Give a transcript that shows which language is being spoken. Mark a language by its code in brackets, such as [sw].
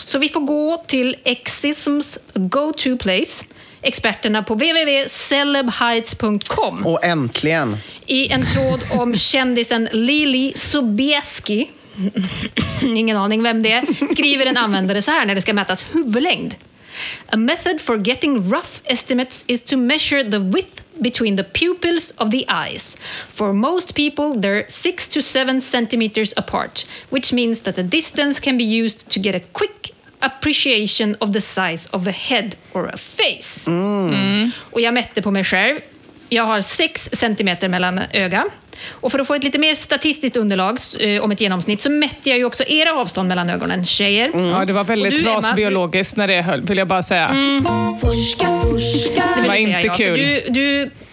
[sv] Så vi får gå till Exisms go-to place, experterna på www.celebheights.com. Och äntligen! I en tråd om kändisen Lili Sobieski. Ingen aning vem det är, skriver en användare så här när det ska mätas huvudlängd. [en] A method for getting rough estimates is to measure the width between the pupils of the eyes. For most people, they're 6 to 7 centimeters apart, which means that the distance can be used to get a quick appreciation of the size of a head or a face. Mm. Mm. [sv] Och jag mätte på mig själv. Jag har 6 centimeter mellan öga. Och för att få ett lite mer statistiskt underlag om ett genomsnitt så mätte jag ju också era avstånd mellan ögonen, tjejer. Mm. Ja, det var väldigt rasbiologiskt när det höll, vill jag bara säga. Mm. Forska, forska. Det var inte kul.